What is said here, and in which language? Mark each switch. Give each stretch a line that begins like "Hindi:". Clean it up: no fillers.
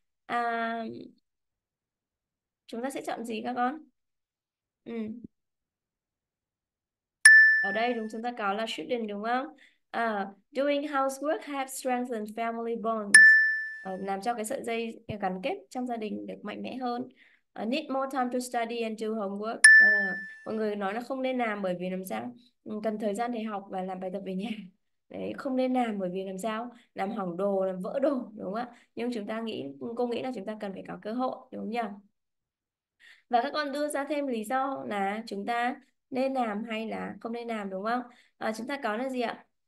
Vietnamese: À, chúng ta sẽ chọn gì các con? Ở đây đúng, chúng ta có là shouldn't, đúng không?
English: Doing housework have strengthened family bonds.
Vietnamese: Làm cho cái sợi dây gắn kết trong gia đình được mạnh mẽ hơn.
English: Need more time to study and do homework.
Vietnamese: Mọi người nói là không nên làm bởi vì làm sao? Cần thời gian để học và làm bài tập về nhà. Đấy, không nên làm bởi vì làm sao? Làm hỏng đồ, làm vỡ đồ, đúng không ạ? Nhưng chúng ta nghĩ, cô nghĩ là chúng ta cần phải có cơ hội, đúng không nhỉ? Và các con đưa ra thêm lý do là chúng ta nên làm hay là không nên làm, đúng không? Chúng ta có là gì ạ?